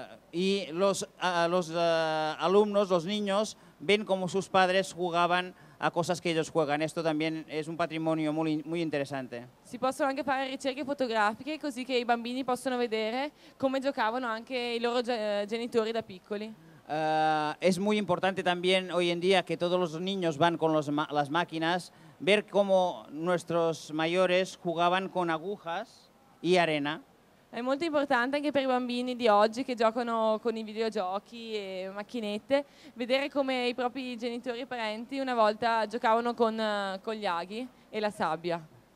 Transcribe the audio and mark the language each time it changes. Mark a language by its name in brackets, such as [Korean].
[Spanish] Y los alumnos, los niños, ven como sus padres jugaban a cosas que ellos juegan. Esto también es un patrimonio muy, muy interesante. [Italian] Si possono anche fare ricerche fotografiche così che i bambini possono vedere come giocavano anche i loro genitori da piccoli. [Spanish] Es muy importante también hoy en día que todos los niños van con las máquinas, ver cómo nuestros mayores jugaban con agujas y arena. [Italian] È molto importante anche per i bambini di oggi che giocano con i videogiochi e macchinette vedere come i propri genitori e parenti una volta giocavano con gli aghi e la sabbia.